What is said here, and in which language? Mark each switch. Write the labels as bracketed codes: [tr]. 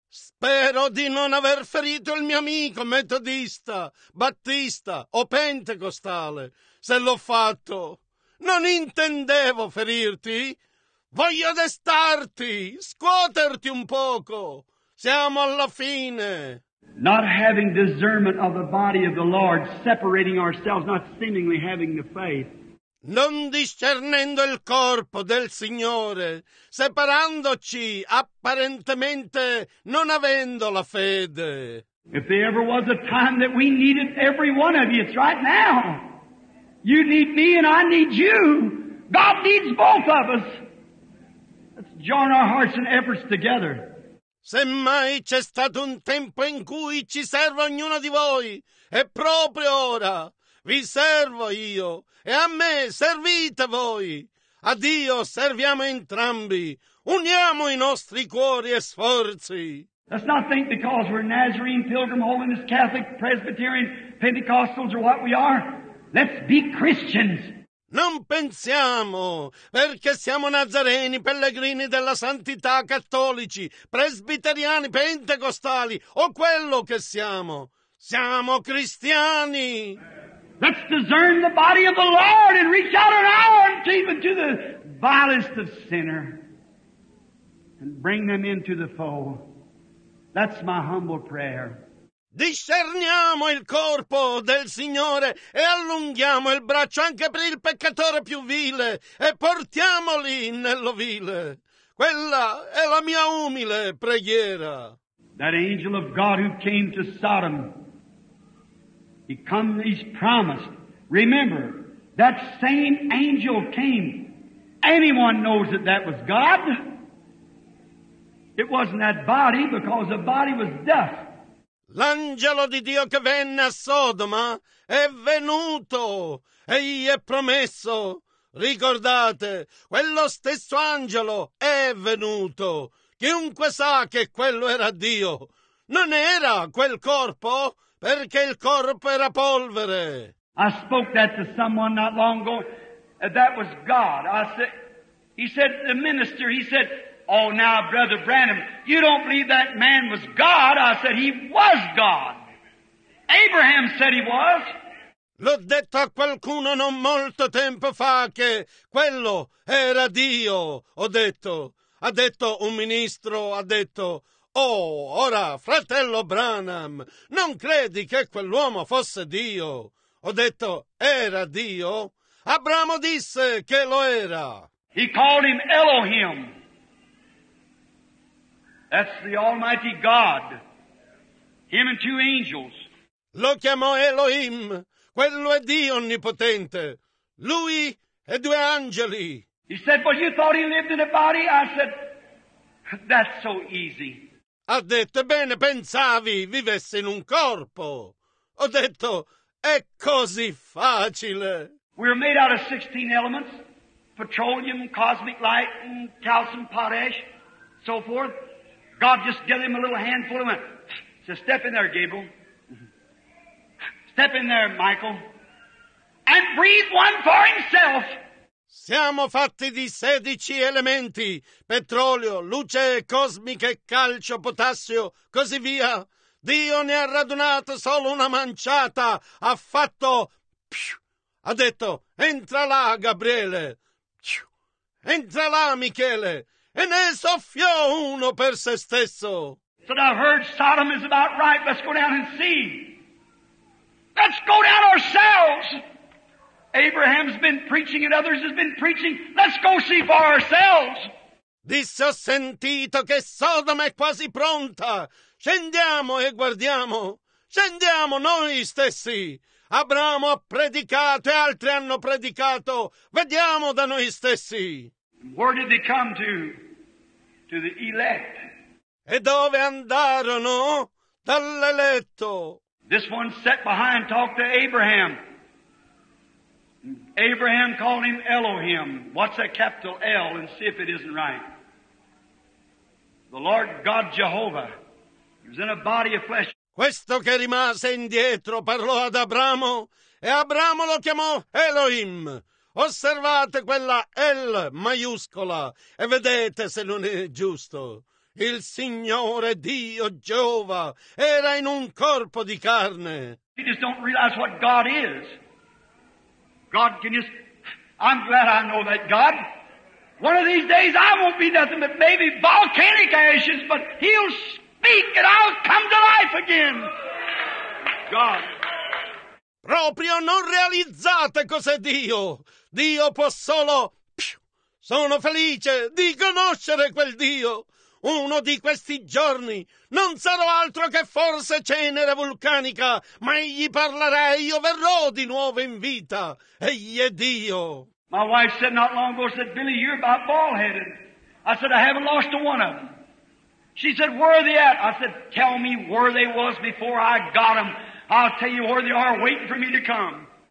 [it] Spero di non aver ferito il mio amico metodista, battista o pentecostale. Se l'ho fatto, non intendevo ferirti. Voglio destarti, scuoterti un poco. Siamo alla fine. [en] Not having discernment of the body of the Lord, separating ourselves, not seemingly having the faith. [it] Non discernendo il corpo del Signore, separandoci apparentemente non avendo la fede. [en] If there ever was a time that we needed every one of you, it's right now. You need me and I need you. God needs both of us. Let's join our hearts and efforts together. [it] Semmai c'è stato un tempo in cui ci serve ognuno di voi, è proprio ora. Vi servo io e a me servite voi. A Dio serviamo entrambi. Uniamo i nostri cuori e sforzi. [en] Let's not think because we're Nazarene, Pilgrim, Holiness, Catholic, Presbyterian, Pentecostals or what we are. Let's be Christians. [it] Non pensiamo, perché siamo nazareni, pellegrini della santità, cattolici, presbiteriani, pentecostali o quello che siamo. Siamo cristiani. [en] Let's discern the body of the Lord and reach out an arm to even to the vilest of sinner and bring them into the fold. That's my humble prayer. [it] Discerniamo il corpo del Signore e allunghiamo il braccio anche per il peccatore più vile e portiamoli nell'ovile. Quella è la mia umile preghiera. [en] That angel of God who came to Sodom, he comes, he's promised. Remember, that same angel came. Anyone knows that that was God. It wasn't that body because the body was dust. [it] L'angelo di Dio che venne a Sodoma è venuto e gli è promesso. Ricordate, quello stesso angelo è venuto. Chiunque sa che quello era Dio. Non era quel corpo, perché il corpo era polvere. [en] I spoke that to someone not long ago. That was God. He said, the minister, he said, oh, now, Brother Branham, you don't believe that man was God. I said, he was God. Abraham said he was. [it] L'ho detto a qualcuno non molto tempo fa che quello era Dio. Ho detto, ha detto un ministro, ha detto, oh, ora, fratello Branham, non credi che quell'uomo fosse Dio? Ho detto, era Dio? Abramo disse che lo era. [en] He called him Elohim. That's the Almighty God, him and two angels. [it] Lo chiamò Elohim, quello è Dio Onnipotente, lui e due angeli. [en] He said, but you thought he lived in a body? I said, that's so easy. [it] Ha detto, bene, pensavi vivesse in un corpo. Ho detto, è così facile. [en] We're made out of 16 elements, petroleum, cosmic light, and calcium, potash, so forth. God just gave him a little handful of them. Said, step in there, Gabriel. Step in there, Michael. And breathe one for himself. [it] Siamo fatti di 16 elementi. Petrolio, luce cosmica e calcio, potassio, così via. Dio ne ha radunato solo una manciata. Ha fatto... Ha detto, entra là, Gabriele. Entra là, Michele. E ne soffiò uno per se stesso. [en] So I've heard Sodom is about right. Let's go down and see. Let's go down ourselves. Abraham's been preaching and others has been preaching. Let's go see for ourselves. [it] Disse, ho sentito che Sodom è quasi pronta. Scendiamo e guardiamo. Scendiamo noi stessi. Abramo ha predicato e altri hanno predicato. Vediamo da noi stessi. [en] Where did they come to the elect? [it] E dove andarono? Dall'eletto. [en] This one sat behind and talked to Abraham. Abraham called him Elohim. What's a capital L and see if it isn't right. The Lord God Jehovah. He was in a body of flesh. [it] Questo che rimase indietro parlò ad Abramo e Abramo lo chiamò Elohim. Osservate quella L maiuscola e vedete se non è giusto. il Signore Dio Geova era in un corpo di carne. [en] You just don't realize what God is. God can just... I'm glad I know that God. One of these days I won't be nothing but maybe volcanic ashes, but He'll speak and I'll come to life again. God. [it] Proprio non realizzate cos'è Dio. Dio può solo... Sono felice di conoscere quel Dio. Uno di questi giorni non sarò altro che forse cenere vulcanica, ma egli parlerà e io verrò di nuovo in vita. Egli è Dio. [en] My wife said not long ago, said, Billy, you're about bald-headed. I said, I haven't lost one of them. She said, where are they at? I said, tell me where they was before I got them. I'll tell you where they are waiting for me to come.